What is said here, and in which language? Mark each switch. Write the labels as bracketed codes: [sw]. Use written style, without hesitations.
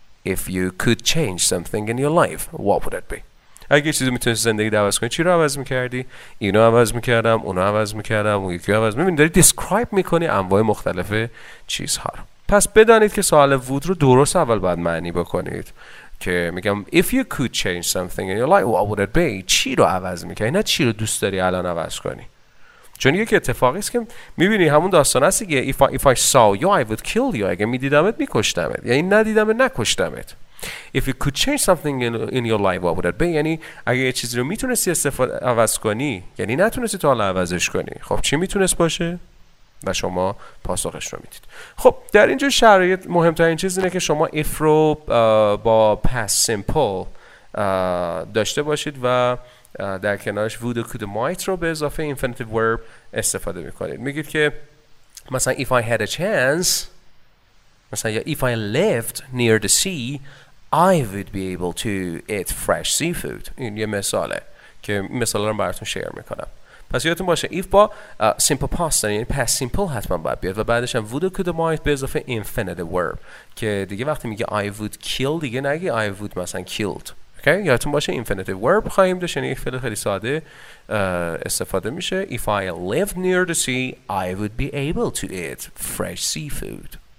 [en] If you could change something in your life what would it be. [fa] اگه چیزی میتونستی زندگی عوض کنی چی رو عوض میکردی؟ اینو عوض میکردم، اونو عوض میکردم، اون یکی عوض. میبینی داری دیسکرایب میکنی انواع مختلف چیزها رو. پس بدانید که سوال وود رو درست اول باید معنی بکنید که میگم [en] if you could change something in your life what would it be. [fa] چی رو عوض میکردی، نه چی رو دوست داری الان عوض کنی. چون یکی اتفاقی است که میبینی همون داستان هستی که [en] if I saw you I would kill you. [fa] اگه میدیدمت میکشتمت، یعنی ندیدمت نکشتمت. [en] If you could change something in your life what would it be. [fa] یعنی اگه یه چیزی رو میتونستی استفاده عوض کنی، یعنی نتونستی تا حالا عوضش کنی، خب چی میتونست باشه؟ و شما پاسخش رو میدید. خب در اینجور شرایط مهمترین چیز اینه که شما if رو با past simple داشته باشید و در کنارش [en] would or could or might [fa] رو به اضافه infinitive verb استفاده میکنید. میگید که مثلا [en] if I had a chance، [fa] مثلا یا [en] if I lived near the sea I would be able to eat fresh seafood. [fa] این یه مثاله که مثال رو براتون شیر میکنم. پس یادتون باشه if با simple past یعنی past simple حتما باید بیاد، و بعدش هم [en] would or could or might [fa] به اضافه infinitive verb، که دیگه وقتی میگه [en] I would kill [fa] دیگه نگه [en] I would [fa] مثلا killed. اوکی، یادتون باشه infinitive verb خواهیم داشت، یعنی فعل خیلی ساده استفاده میشه. [en] if I lived near the sea I would be able to eat fresh seafood.